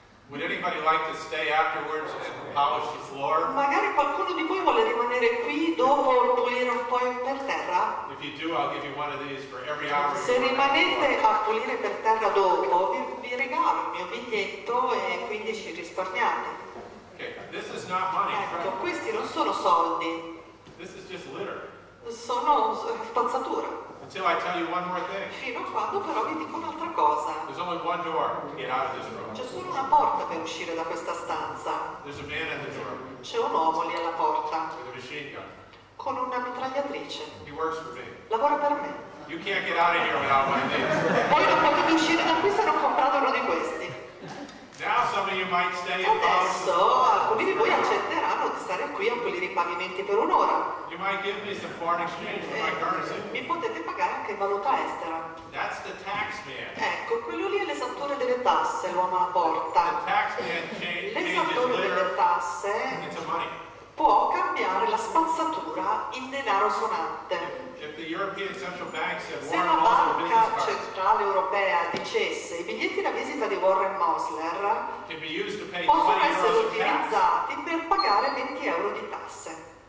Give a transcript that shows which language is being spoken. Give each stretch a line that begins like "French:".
English: Would anybody like to stay afterwards and polish the floor?
Italian: Magari qualcuno di voi vuole rimanere qui dopo pulire un po' per terra?
English: If you do, I'll give you one of these for every hour.
Italian: Se rimanete a pulire per terra dopo, vi regalo il mio biglietto e quindi ci risparmiate.
English: Okay, this is not money.
Italian: Ecco, questi non sono soldi.
English: This is just litter.
Italian: Sono spazzatura.
English: Until I tell you one more thing.
Italian: Fino a quando però vi dico un'altra cosa.
English: There's only one door to get out of this room.
Italian: C'è solo una porta per uscire da questa stanza.
English: There's a man in the door.
Italian: C'è un uomo lì alla porta.
English: With a machine gun.
Italian: Con una mitragliatrice.
English: He works for me.
Italian: Lavora per me.
English: You can't get out of here without one of these.
Italian: Voi non potete uscire da qui se non comprate uno di questi.
English: Now some of you might stay in
Italian: adesso alcuni di voi accetteranno di stare qui a pulire i pavimenti per un'ora.
English: You might give me some foreign exchange for my currency.
Italian: Mi potete pagare anche in valuta estera.
English: That's the tax man.
Italian: Ecco, quello lì è l'esattore delle tasse, l'uomo alla porta.
English: The tax man changes
Italian: l'esattore delle tasse
English: into money.
Italian: Può cambiare la spazzatura in denaro sonante. Se la banca centrale europea dicesse i biglietti da visita di Warren Mosler possono essere utilizzati per pagare 20 euro di tasse.